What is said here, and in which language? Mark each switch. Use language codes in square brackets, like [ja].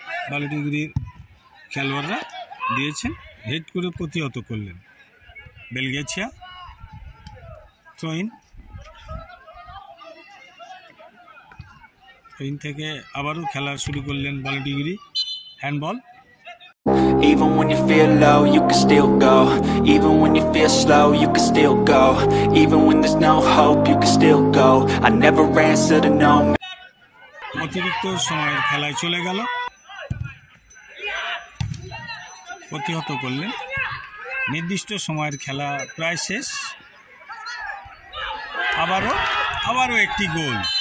[bn] বালিটিগুড়ির খেলোয়াড়রা দিয়েছেন, হেড করে প্রতিহত করলেন বেলগিয়েছিয়া। থ্রো ইন, থ্রো ইন থেকে আবারও খেলা শুরু করলেন বালিটিগুড়ি। Handball. [en] Even when you feel low, you can still go. Even when you feel slow, you can still go. Even when there's no hope, you can still go. I never answer to no. [bn] অতিরিক্ত সময়ের খেলায় চলে গেল, প্রতিহত করলেন, নির্দিষ্ট সময়ের খেলা প্রায় শেষ, আবারও একটি গোল।